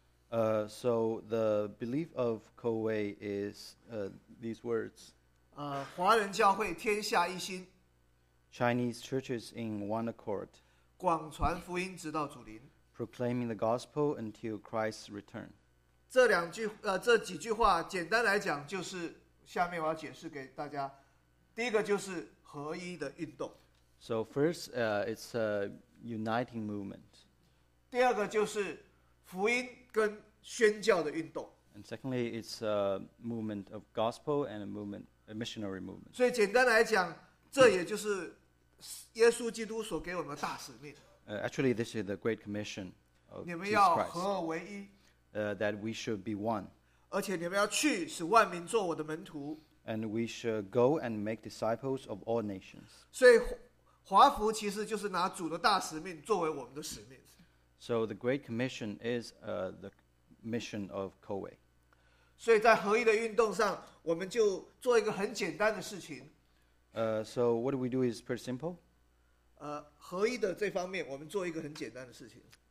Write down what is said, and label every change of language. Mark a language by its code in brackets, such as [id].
[en] So the belief of Coway is these words. [zh] 华人教会天下一心。 [en] Chinese churches in one accord. [zh] 广传福音直到主临。 [en] Proclaiming the gospel until Christ's return. [zh] 这几句话简单来讲就是下面我要解释给大家。第一个就是合一的运动。 [en] So first, it's a uniting movement. [zh] 第二个就是福音跟宣教的运动。 [en] And secondly, it's a movement of gospel and a movement, a missionary movement. [zh] 所以简单来讲，这也就是耶稣基督所给我们的大使命。 [en] Actually, this is the Great Commission of Jesus Christ. [zh] 你们要合而为一。 [en] That we should be one. [zh] 而且你们要去，使万民做我的门徒。 [en] And we should go and make disciples of all nations. [zh] 所以华福其实就是拿主的大使命作为我们的使命。 [en] So the Great Commission is the mission of Co-Way. [zh] 所以在合一的运动上，我们就做一个很简单的事情。 [en] So what we do is pretty simple. [zh] 合一的这方面，我们做一个很简单的事情。